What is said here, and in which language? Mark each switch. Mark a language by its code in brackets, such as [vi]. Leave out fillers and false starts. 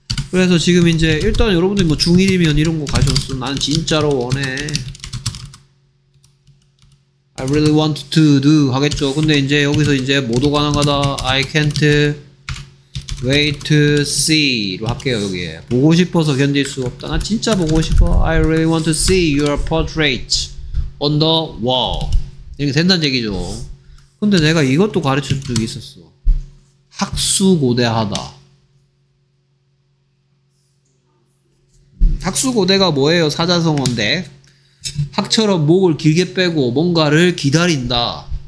[ko] 그래서 지금 이제 일단 여러분들이 뭐 중1이면 이런 거 가셨어. 난 진짜로 원해. [en] I really want to do [ko] 하겠죠. 근데 이제 여기서 이제 모두 가능하다. [en] I can't wait to see [ko] 로 할게요. 여기에 보고 싶어서 견딜 수 없다. 나 진짜 보고 싶어. [en] I really want to see your portrait on the wall. [ko] 이렇게 된다는 얘기죠. 근데 내가 이것도 가르쳐준 적이 있었어. 학수고대하다. 학수고대가 뭐예요? 사자성어인데. 학처럼 목을 길게 빼고 뭔가를 기다린다.